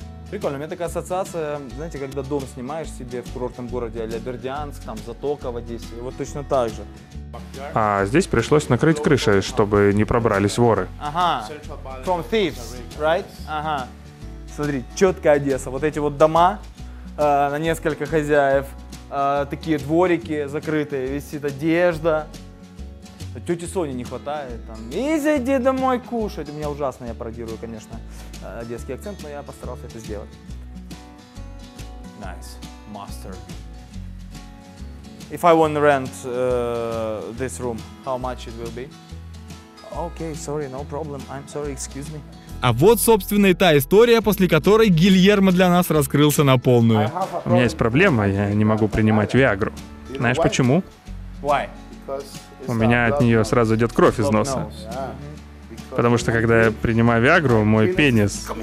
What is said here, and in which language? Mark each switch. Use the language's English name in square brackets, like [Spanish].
[Russian] Прикольно, у меня такая ассоциация, знаете, когда дом снимаешь себе в курортном городе а-ля Бердянск, там Затока в Одессе, вот точно так же. А здесь пришлось накрыть крышей, чтобы не пробрались воры. [English] Ага, from thieves, right? [Russian] Ага. Смотри, четкая Одесса, вот эти вот дома на несколько хозяев, такие дворики закрытые, висит одежда. Тете Соне не хватает, там, и зайди домой кушать. У меня ужасно, я пародирую, конечно, одесский акцент, но я постарался это сделать. [English] Nice, master. If I want to rent this room, how much it will be? Okay, sorry, no problem, I'm sorry, excuse me. [Russian] А вот, собственно, и та история, после которой Гильермо для нас раскрылся на полную. У меня есть проблема, я не могу принимать Виагру. Знаешь, почему? [English] Why? [Russian] У меня от нее сразу идет кровь из носа. Потому что, когда я принимаю Виагру, мой пенис...